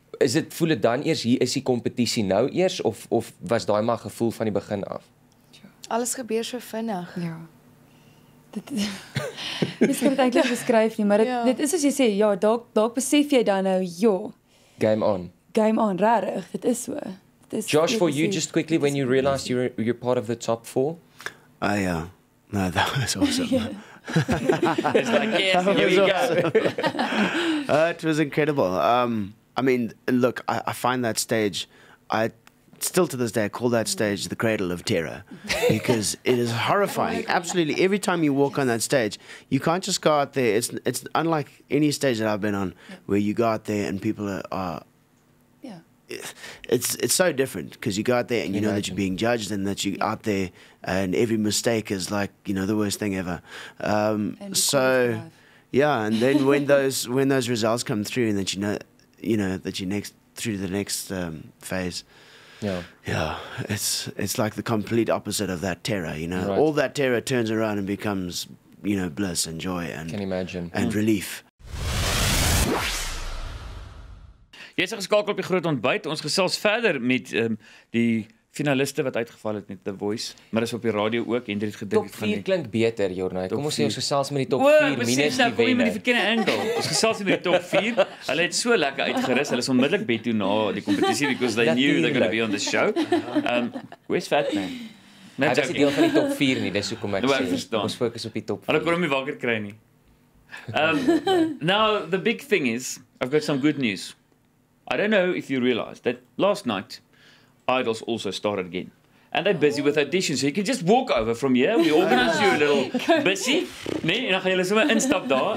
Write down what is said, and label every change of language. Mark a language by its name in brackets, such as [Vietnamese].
[Afrikaans] Is dit voel dit dan eers hier is die kompetisie nou eers of was daai maar gevoel van die begin af? Alles gebeur so vinnig. Ja. Dit skryf eintlik beskryf nie, maar dit is as jy sê, ja, dalk besef jy dan nou, ja. [English] Game on, [Afrikaans] rarig, dit is so. [English] Josh, for you, just quickly, when you realized you're part of the top 4? No, that was awesome. It's like, yes, here we go. It was incredible. I mean, look, I find that stage, I still to this day, I call that stage the cradle of terror, because it is horrifying. Absolutely. Every time you walk on that stage, you can't just go out there. It's unlike any stage that I've been on, where you go out there and people are it's so different, because you go out there and you know that you're being judged, and that you're out there and every mistake is like, you know, the worst thing ever. And then when those results come through, and that you know that you're next through to the next phase. Yeah, it's like the complete opposite of that terror, you know. Right. All that terror turns around and becomes, you know, bliss and joy and can imagine. And relief. [Afrikaans] Jy's geskakel op die groot ontbyt. Ons gesels verder met die finaliste wat uitgeval het met The Voice, maar is op die radio ook. Hendrie het gedink top 4 klink beter, Jornay. Kom ons sê ons gesels met die top 4 minus die wenner. Kom met die verkeerde angle. Ons gesels met die top 4. Hulle het so lekker uitgerus. Hulle is onmiddellik bed toe na die competitie, [English] because they knew they're going to be on the show. Where's Fatman? [Afrikaans] Hy was nie deel van die top 4 nie, dis hoekom ek sê. Ons fokus op die top 4. Hulle kon hom nie wakker kry nie. [English] Now, the big thing is, I've got some good news. I don't know if you realize that last night, Idols also started again. And they're busy with auditions. So you can just walk over from here. We organize you a little busy. [Afrikaans] Nee, en dan gaan jy sommer instap daar.